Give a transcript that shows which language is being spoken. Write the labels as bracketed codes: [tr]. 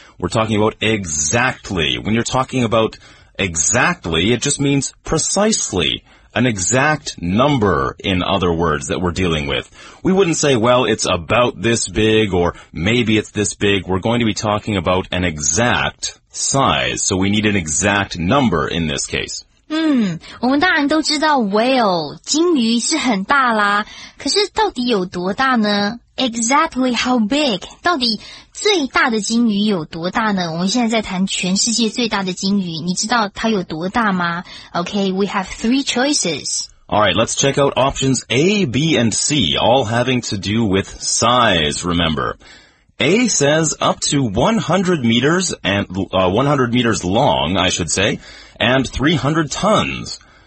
[en] We're talking about exactly. When you're talking about exactly, it just means precisely. An exact number, in other words, that we're dealing with. We wouldn't say, well, it's about this big, or maybe it's this big. We're going to be talking about an exact size, so we need an exact number in this case. [zh] 我们当然都知道 whale, 鲸鱼是很大啦。可是到底有多大呢? [en] Exactly how big? [zh] 到底最大的鲸鱼有多大呢?我们现在在谈全世界最大的鲸鱼,你知道它有多大吗? [en] Okay, we have three choices. Alright, let's check out options A, B, and C, all having to do with size, remember. A says up to 100 meters and 100 meters long, I should say, and 300 tons.